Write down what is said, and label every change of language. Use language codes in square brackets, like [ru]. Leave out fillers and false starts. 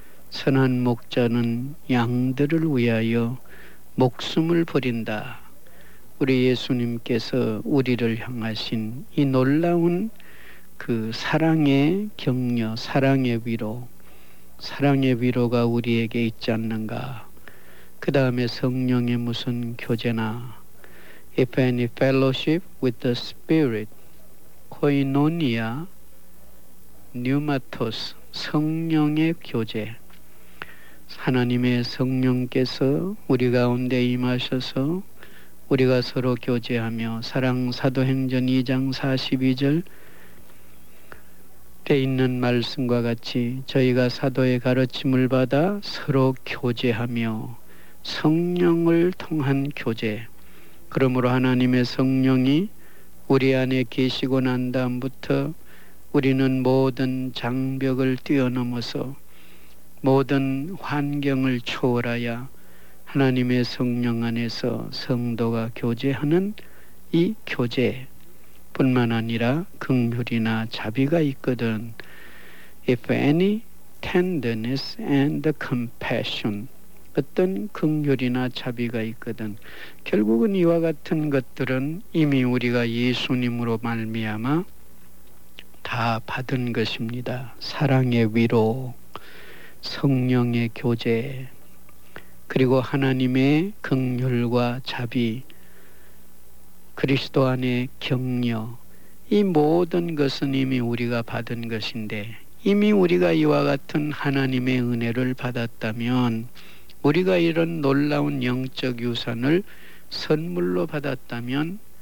[ko] 선한 목자는 양들을 위하여 목숨을 버린다. 우리 예수님께서 우리를 향하신 이 놀라운 그 사랑의 격려, 사랑의 위로, 사랑의 위로가 우리에게 있지 않는가. 그 다음에 성령의 무슨 교제나 [en] If any fellowship with the Spirit, [el] koinonia, pneumatos, [ko] 성령의 교제. 하나님의 성령께서 우리 가운데 임하셔서 우리가 서로 교제하며 사랑 사도행전 2장 42절 때 있는 말씀과 같이 저희가 사도의 가르침을 받아 서로 교제하며 성령을 통한 교제. 그러므로 하나님의 성령이 우리 안에 계시고 난 다음부터 우리는 모든 장벽을 뛰어넘어서 모든 환경을 초월하여 하나님의 성령 안에서 성도가 교제하는 이 교제뿐만 아니라 긍휼이나 자비가 있거든. [en] If any tenderness and compassion, [ko] 어떤 긍휼이나 자비가 있거든. 결국은 이와 같은 것들은 이미 우리가 예수님으로 말미암아 다 받은 것입니다. 사랑의 위로, 성령의 교제, 그리고 하나님의 긍휼과 자비, 그리스도 안의 격려, 이 모든 것은 이미 우리가 받은 것인데 이미 우리가 이와 같은 하나님의 은혜를 받았다면, 우리가 이런 놀라운 영적 유산을 선물로 받았다면,